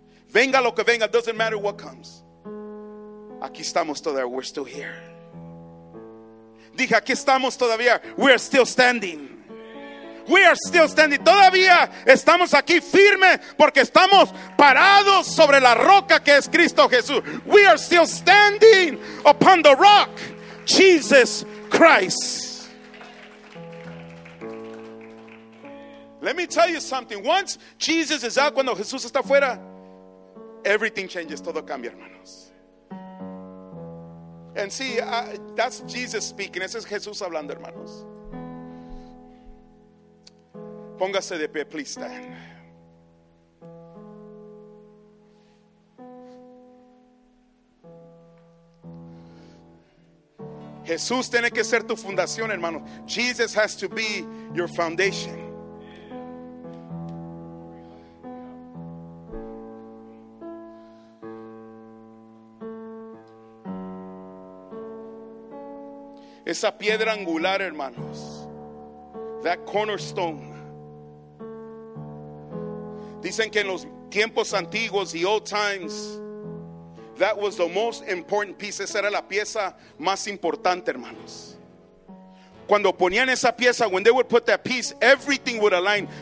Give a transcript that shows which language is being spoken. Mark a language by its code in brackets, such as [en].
[es] Venga lo que venga, [en] doesn't matter what comes. [es] Aquí estamos todavía, [en] we're still here. [es] Dije, aquí estamos todavía, [en] we are still standing. We are still standing. [es] Todavía estamos aquí firme porque estamos parados sobre la roca que es Cristo Jesús. [en] We are still standing upon the rock, Jesus Christ. Let me tell you something. Once Jesus is out, [es] cuando Jesús está afuera, [en] everything changes. [es] Todo cambia, hermanos. [en] And see, that's Jesus speaking. [es] Ese es Jesús hablando, hermanos. Póngase de pie, [en] please stand. [es] Jesús tiene que ser tu fundación, hermano. [en] Jesus has to be your foundation. [es] Esa piedra angular, hermanos. [en] That cornerstone. [es] Dicen que en los tiempos antiguos, [en] the old times, that was the most important piece. [es] Esa era la pieza más importante, hermanos. Cuando ponían esa pieza, [en] when they would put that piece, everything would align.